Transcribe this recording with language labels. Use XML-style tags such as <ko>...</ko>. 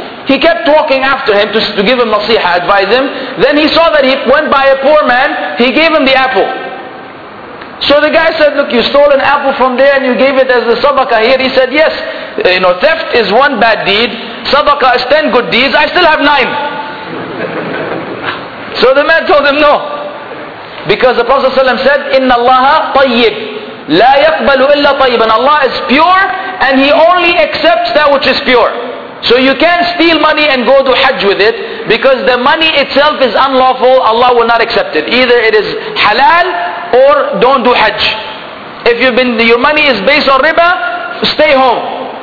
<en>He kept walking after him to give him nasiha, advise him. Then he saw that he went by a poor man, he gave him the apple. So the guy said, look, you stole an apple from there and you gave it as a sadaqah here. He said, yes, you know, theft is one bad deed, sadaqah is 10 good deeds, I still have 9. So the man told him, no. Because the Prophet ﷺ said,</en> <ar>إِنَّ اللَّهَ طَيِّبْ لَا يَقْبَلُ إِلَّا طَيِّبًا.</ar> <en>Allah is pure and He only accepts that which is pure. So you can't steal money and go to Hajj with it, because the money itself is unlawful, Allah will not accept it. Either it is halal or don't do Hajj. If you've been, your money is based on riba, stay home.</en>